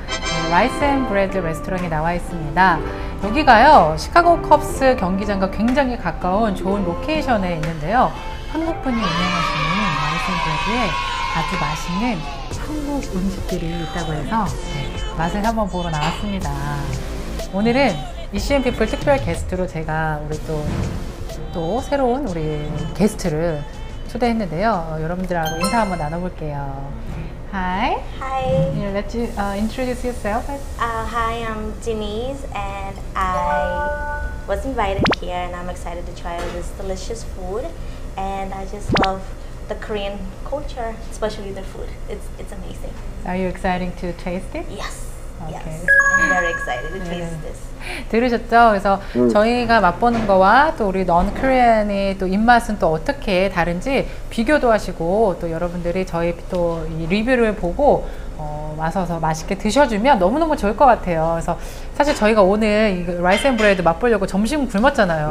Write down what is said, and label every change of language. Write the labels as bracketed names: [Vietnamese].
[Korean] 네, 라이스 앤 브레드 레스토랑에 나와 있습니다. 여기가요 시카고 컵스 경기장과 굉장히 가까운 좋은 로케이션에 있는데요, 한국 분이 운영하시는 라이스 앤 브레드의 아주 맛있는 한국 음식들이 있다고 해서, 네, 맛을 한번 보러 나왔습니다. 오늘은 이슈앤 피플 특별 게스트로 제가 우리 또 새로운 우리 게스트를 초대했는데요. 여러분들하고 인사 한번 나눠볼게요. [English] Hi. Hi. You let you introduce yourself. Hi, I'm Denise, and I was invited here, and I'm excited to try this delicious food. And I just love the Korean culture, especially the food. It's amazing. Are you excited to taste it? Yes. Okay. Yes, I'm very excited to taste this. [Korean] 들으셨죠? 그래서 저희가 맛보는 거와 또 우리 넌 코리안의 또 입맛은 또 어떻게 다른지 비교도 하시고, 또 여러분들이 저희 또 이 리뷰를 보고 와서서 맛있게 드셔주면 너무너무 좋을 것 같아요. 그래서 사실 저희가 오늘 이 라이스 앤 브레드 맛보려고 점심 굶었잖아요.